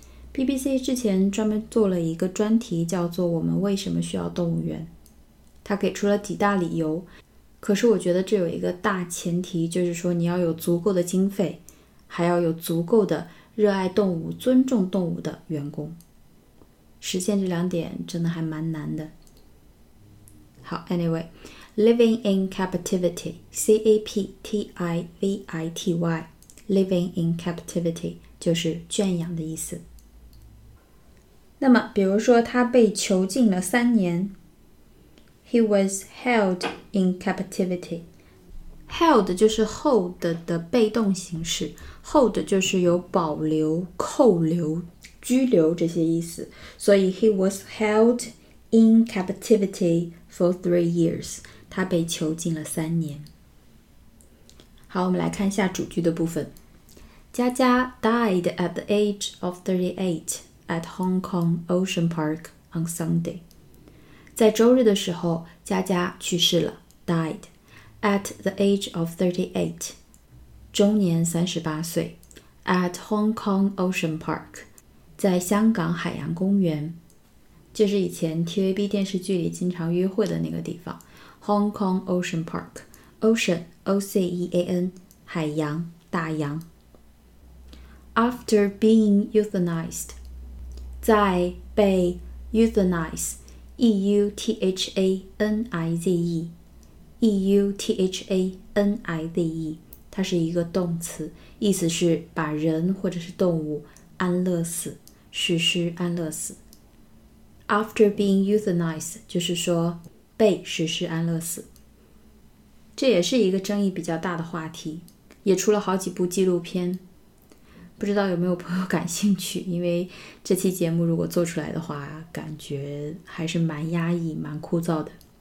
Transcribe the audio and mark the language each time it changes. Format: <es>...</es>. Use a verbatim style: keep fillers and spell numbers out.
<zh>B B C 之前专门做了一个专题，叫做我们为什么需要动物园，他给出了几大理由，可是我觉得这有一个大前提，就是说你要有足够的经费，还要有足够的热爱动物、尊重动物的员工。实现这两点真的还蛮难的。好</zh> <en>anyway living in captivity</en> <zh>C A P T I V I T Y living in captivity 就是圈养的意思。那么比如说他被囚禁了三年</zh> <en>He was held in captivity.</en> <zh>Held 就是 hold 的被动形式， hold 就是有保留、扣留、拘留这些意思，所以</zh> <en>He was held in captivity for three years.</en> <zh>他被囚禁了三年。好，我们来看一下主句的部分。</zh> <en>佳佳 died at the age of thirty-eight. at Hong Kong Ocean Park on Sunday.</en> <zh>在周日的时候，佳佳去世了</zh> <en>died at the age of thirty-eight.</en> <zh>终年三十八岁 at Hong Kong Ocean Park. 在香港海洋公园。这是以前 T V B 电视剧里经常约会的那个地方 Hong Kong Ocean Park. Ocean, O C E A N, 海洋，大洋。</zh> <en>After being euthanized,</en> <zh>在被 euthanize E U T H A N I Z E E U T H A N I Z E 它是一个动词，意思是把人或者是动物安乐死，实施安乐死。</zh> <en>After being euthanized</en> <zh>就是说被实施安乐死，这也是一个争议比较大的话题，也出了好几部纪录片，不知道有没有朋友感兴趣，因为这期节目如果做出来的话，感觉还是蛮压抑、蛮枯燥的。</zh>